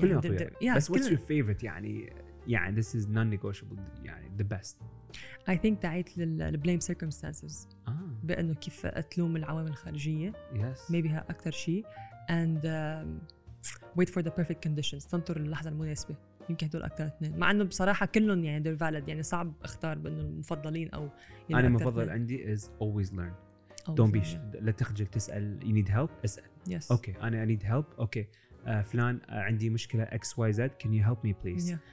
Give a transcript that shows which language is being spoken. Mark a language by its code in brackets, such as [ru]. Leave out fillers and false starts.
[en] كلهم yeah, [ar] بس [en] what's your favorite يعني this is non-negotiable يعني the best [ar] I think تعيت للblame circumstances بأنه كيف أتلوم العوامل الخارجية [en] yes [ar] maybe ها أكتر شيء [en] and wait for the perfect conditions [ar] تنطر اللحظة المناسبة يمكن هدول أكتر اثنين مع أنه بصراحة كلهم يعني [en] they're valid [ar] يعني صعب أختار بأنه المفضلين أو أنا مفضل عندي [en] is always learn don't be [ar] لا تخجل تسأل [en] you need help [ar] اسأل [en] yes okay أنا I need help okay [ar] فلان عندي مشكلة [en] XYZ can you help me please yeah.